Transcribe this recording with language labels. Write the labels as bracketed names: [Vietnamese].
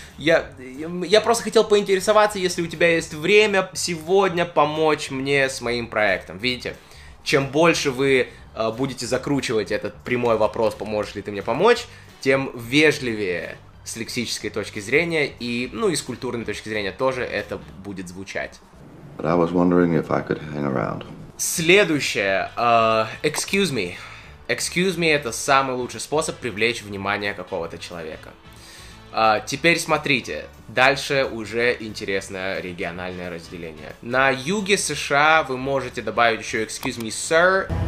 [Russian] Я просто хотел поинтересоваться, если у тебя есть время сегодня помочь мне с моим проектом. Видите, чем больше вы будете закручивать этот прямой вопрос, поможешь ли ты мне помочь, тем вежливее с лексической точки зрения и, ну, и с культурной точки зрения тоже это будет звучать. [English] But I was wondering if I could hang around. [Russian] Следующее. [English] Excuse me. Excuse me [Russian] — это самый лучший способ привлечь внимание какого-то человека. Теперь смотрите, дальше уже интересное региональное разделение. На юге США вы можете добавить еще [English] excuse me, sir.